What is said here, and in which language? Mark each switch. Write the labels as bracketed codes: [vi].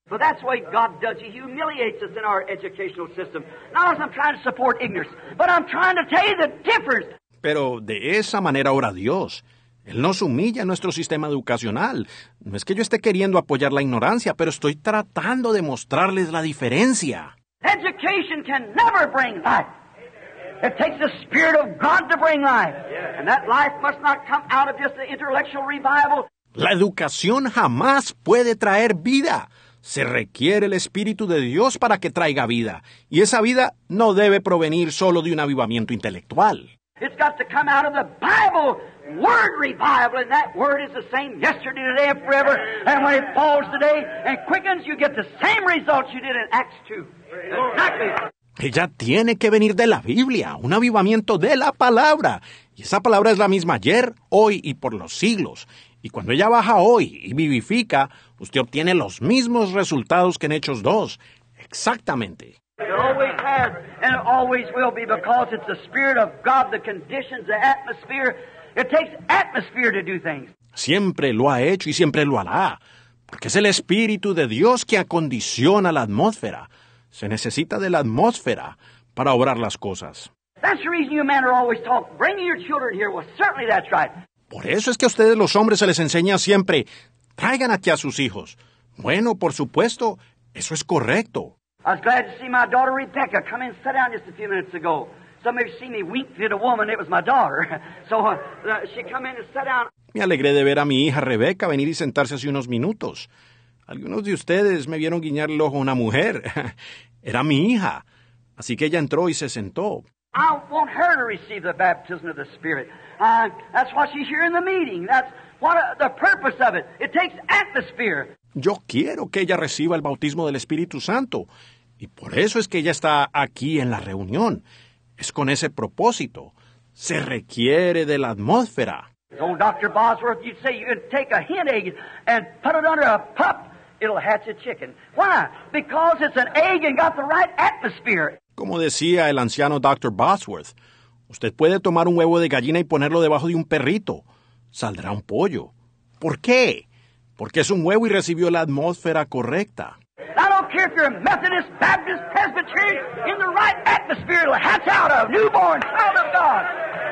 [en] But that's what God does. He humiliates us in our educational system. Not as I'm trying to support ignorance, but I'm trying to tell you the difference. [es] Pero de esa manera obra Dios. Él nos humilla en nuestro sistema educacional. No es que yo esté queriendo apoyar la ignorancia, pero estoy tratando de mostrarles la diferencia. [en] Education can never bring life. It takes the Spirit of God to bring life. And that life must not come out of just the intellectual revival. [es] La educación jamás puede traer vida. Se requiere el Espíritu de Dios para que traiga vida. Y esa vida no debe provenir solo de un avivamiento intelectual. [en] It's got to come out of the Bible, word revival, and that word is the same yesterday, today, and forever. And when it falls today and quickens, you get the same results you did in Acts 2. Exactly. [es] Ella tiene que venir de la Biblia, un avivamiento de la palabra. Y esa palabra es la misma ayer, hoy y por los siglos. Y cuando ella baja hoy y vivifica, usted obtiene los mismos resultados que en Hechos 2. Exactamente. [en] It always has and always will be because it's the Spirit of God, the conditions, the atmosphere. It takes atmosphere to do things. [es] Siempre lo ha hecho y siempre lo hará. Porque es el Espíritu de Dios que acondiciona la atmósfera. Se necesita de la atmósfera para obrar las cosas. [en] That's the reason you men are always taught, bringing your children here. Well, certainly that's right. [es] Por eso es que a ustedes los hombres se les enseña siempre, traigan aquí a sus hijos. Bueno, por supuesto, eso es correcto. [en] I was glad to see my daughter Rebecca come in and sit down just a few minutes ago. Some of you see me wink at a woman, it was my daughter. So she come in and sat down. [es] Me alegré de ver a mi hija Rebecca venir y sentarse hace unos minutos. Algunos de ustedes me vieron guiñar el ojo a una mujer. Era mi hija. Así que ella entró y se sentó. [en] I want her to receive the baptism of the Spirit. That's why she's here in the meeting. That's what the purpose of it. It takes atmosphere. [es] Yo quiero que ella reciba el bautismo del Espíritu Santo. Y por eso es que ella está aquí en la reunión. Es con ese propósito. Se requiere de la atmósfera. [en] Old Dr. Bosworth, you'd say you could take a hen egg and put it under a pup, it'll hatch a chicken. Why? Because it's an egg and got the right atmosphere. [es] Como decía el anciano Dr. Bosworth, usted puede tomar un huevo de gallina y ponerlo debajo de un perrito. Saldrá un pollo. ¿Por qué? Porque es un huevo y recibió la atmósfera correcta. [en] I don't care if you're a Methodist, Baptist, Presbyterian, in the right atmosphere, it'll hatch out a newborn child of God.